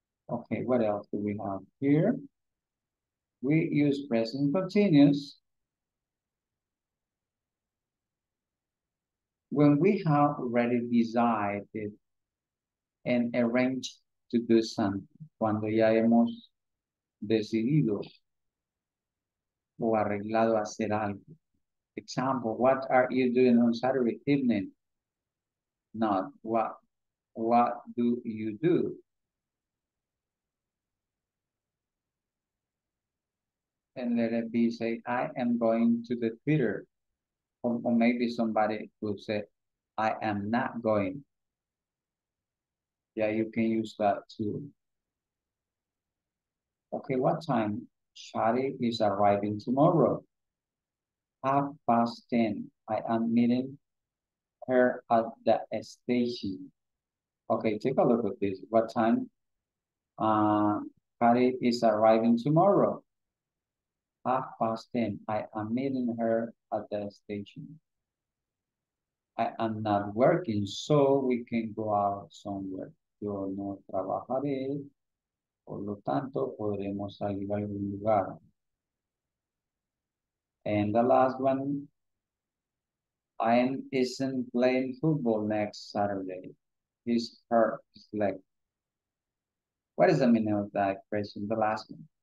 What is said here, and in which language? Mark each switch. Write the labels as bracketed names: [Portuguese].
[English] Okay, what else do we have here? We use present continuous when we have already decided and arranged to do something. [Spanish] Cuando ya hemos decidido o arreglado hacer algo. [English] Example, what are you doing on Saturday evening? Not what do you do? And let it be, say, I am going to the theater. Or maybe somebody will say, I am not going. Yeah, you can use that too. Okay, what time? Shari is arriving tomorrow. 10:30. I am meeting her at the station. Okay, take a look at this. What time? Shari is arriving tomorrow. 10:30. I am meeting her at the station. I am not working, so we can go out somewhere. [Spanish] Yo no trabajaré, por lo tanto, podremos salir a algún lugar. [English] And the last one, I am isn't playing football next Saturday. He's hurt his leg. What is the meaning of that expression, the last one?